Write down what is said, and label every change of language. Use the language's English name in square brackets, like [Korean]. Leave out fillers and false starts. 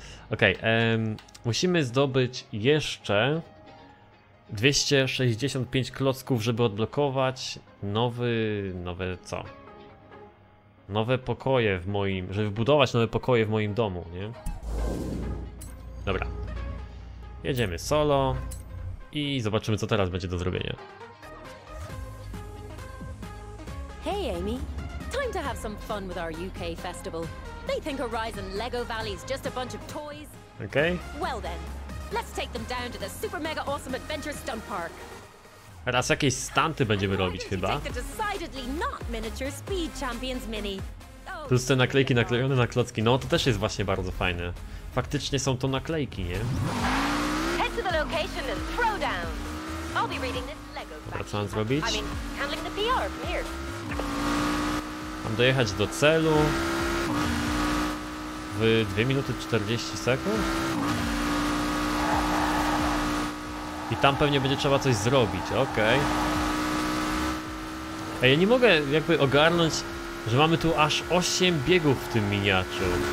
[Polish] Okej, musimy zdobyć jeszcze 265 klocków, żeby odblokować nowe co? Nowe pokoje w moim, żeby wbudować nowe pokoje w moim domu, nie? Dobra. Jedziemy solo i zobaczymy, co teraz będzie do zrobienia. [English] Hey Amy, time to have some fun with our UK festival. They think Horizon Lego Valley is just a bunch of toys. Okay. Well then, let's take them down to the super mega awesome adventure stunt park. [Polish] Teraz jakieś stunty będziemy robić chyba. [English] Take the decidedly not miniature speed champions mini. [Polish] Tu są te naklejki naklejone na klocki. No to też jest właśnie bardzo fajne. Faktycznie są to naklejki, nie? [English] Head to the location and throw down. I'll be reading this Lego. [Polish] Dobra, co mam zrobić? [English] I mean, handling the PR from here. [Polish] Mam dojechać do celu w 2 minuty 40 sekund i tam pewnie będzie trzeba coś zrobić, okej. Okay. Ej, ja nie mogę jakby ogarnąć, że mamy tu aż 8 biegów w tym miniaczu.